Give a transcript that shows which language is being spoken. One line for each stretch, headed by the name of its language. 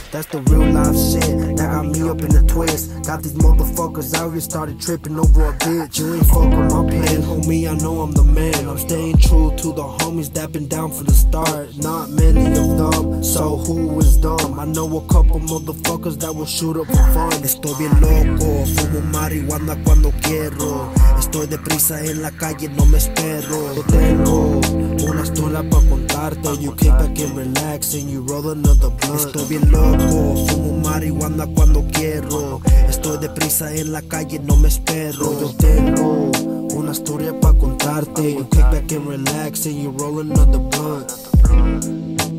English: That's the real life shit, that got me up in a twist. Got these motherfuckers out here started tripping over a bitch. You ain't fuckin' my plan, homie, I know I'm the man. I'm staying true to the homies that been down from the start. Not many of them, so who is dumb? I know a couple motherfuckers that will shoot up for fun.
Spanish: Estoy bien loco. Fumo marihuana cuando quiero. Estoy deprisa en la calle, no me espero. Yo tengo una historia pa' contarte.
English: You kick back and relax and you roll another blunt.
Spanish: Estoy bien loco, fumo marihuana cuando quiero. Estoy deprisa en la calle, no me espero. Yo tengo una historia pa' contarte.
English: You kick back and relax and you roll another blunt.